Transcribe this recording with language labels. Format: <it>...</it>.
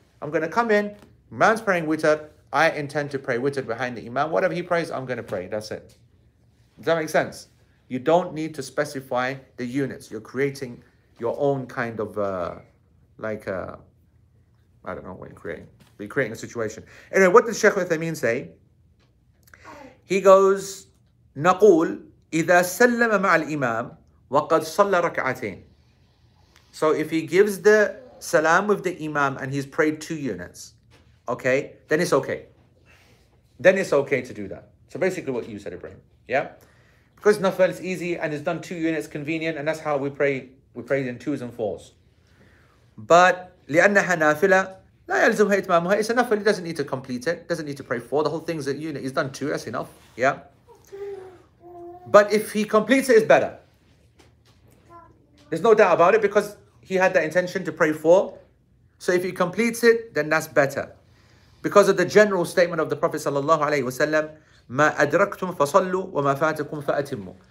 <en>I'm going to come in, man's praying witr. I intend to pray witr behind the imam. Whatever he prays, I'm going to pray. That's it. Does that make sense? You don't need to specify the units. You're creating your own kind of, I don't know what you're creating. Be creating a situation. Anyway, what does Sheikh Uthaymeen say? He goes,</en> <ar>نقول إذا سلم مع الإمام وقد صلى ركعتين.</ar> <en>So if he gives the salam with the Imam and he's prayed 2 units, okay, then it's okay. Then it's okay to do that. So basically what you said, Ibrahim. Yeah? Because nafil is easy and it's done 2 units, convenient, and that's how we pray. We pray in 2s and 4s. But</en> <ar>لأنها نافلة لا يلزمها إتمامها.</ar> <en>It's enough. He doesn't need to complete it. Doesn't need to pray 4. The whole thing's a unit. He's done 2. That's enough. Yeah. But if he completes it, it's better. There's no doubt about it because he had that intention to pray 4. So if he completes it, then that's better. Because of the general statement of the Prophet sallallahu alaihi wasallam,</en> <ar>ما أدركتم فصلوا وما فاتكم فأتموا.</ar>